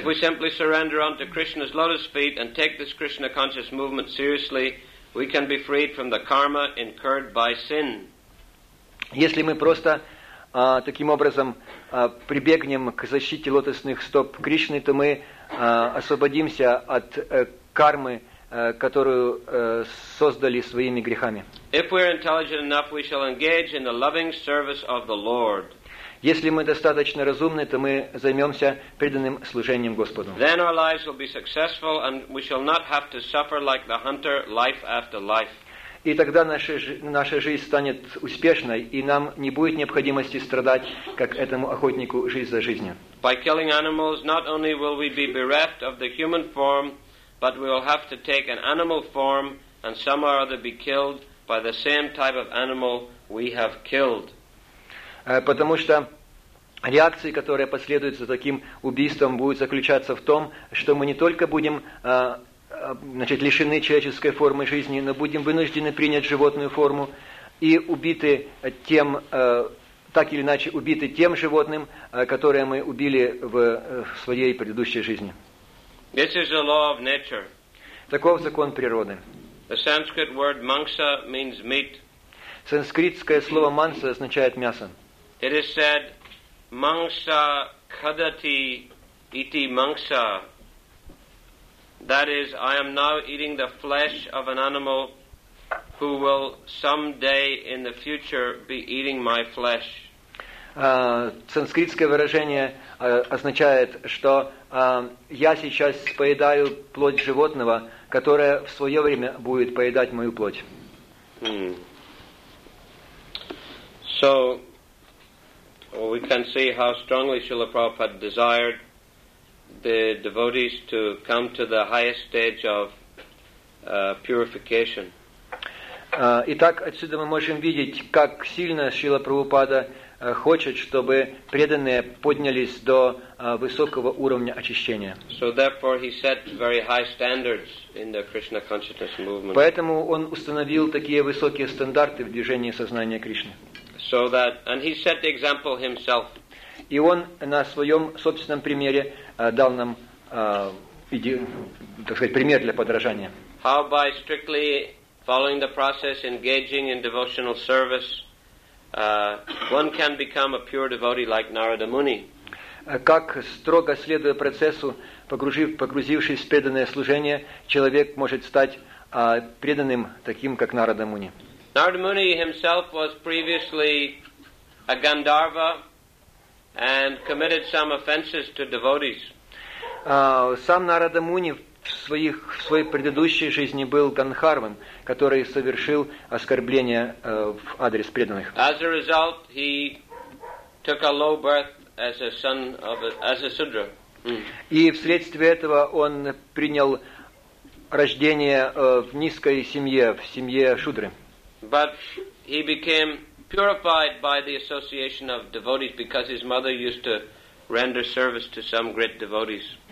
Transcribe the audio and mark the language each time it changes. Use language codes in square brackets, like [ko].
[en] If we simply surrender onto Krishna's lotus feet and take this Krishna conscious movement seriously, we can be freed from the karma incurred by sin. [ru] Если мы просто таким образом прибегнем к защите лотосных стоп Кришны, то мы освободимся от кармы, которую создали своими грехами. [en] If we are intelligent enough, we shall engage in the loving service of the Lord. [ru] Если мы достаточно разумны, то мы займемся преданным служением Господу. [en] Then our lives will be successful and we shall not have to suffer like the hunter life after life. [ru] И тогда наша жизнь станет успешной, и нам не будет необходимости страдать, как этому охотнику, жизнь за жизнью. [en] By killing animals, not only will we be bereft of the human form, but we will have to take an animal form and somehow or other be killed by the same type of animal we have killed. [ru] Потому что реакции, которые последуют за таким убийством, будут заключаться в том, что мы не только будем лишены человеческой формы жизни, но будем вынуждены принять животную форму и убиты убиты тем животным, которое мы убили в своей предыдущей жизни. [en] This is the law of nature. [ru] Таков закон природы. [en] The Sanskrit word mangsa means meat. [ru] Санскритское слово манса означает мясо. [en] It is said, [sa] "Mangsa khadati iti mangsa." [en] That is, I am now eating the flesh of an animal who will someday in the future be eating my flesh. [ru] Санскритское выражение означает, что я сейчас поедаю плоть животного, которое в свое время будет поедать мою плоть. [en] So, we can see how strongly Srila Prabhupada desired the devotees to come to the highest stage of purification. [ru] Итак, отсюда мы можем видеть, как сильно Шрила Прабхупада хочет, чтобы преданные поднялись до высокого уровня очищения. [en] So therefore he set very high standards in the Krishna consciousness movement. [ru] Поэтому он установил такие высокие стандарты в движении сознания Кришны. [en] So that, and he set the example himself. [ru] И он на своем собственном примере дал нам так сказать, пример для подражания. [en] How by strictly following the process, engaging in devotional service, one can become a pure devotee like Narada Muni. [ru] Как строго следуя процессу, погрузившись в преданное служение, человек может стать преданным таким, как Narada Muni. [en] Narada Muni himself was previously a Gandharva and committed some offenses to devotees. [ru] Сам Narada Muni в своей предыдущей жизни был Гандхарвом, который совершил оскорбление в адрес преданных. [en] As a result, he took a low birth as a son of as a sudra. [ru] И вследствие этого он принял рождение в низкой семье, в семье шудры. [en] But he became purified by the association of devotees because his mother used to render service to some great devotees.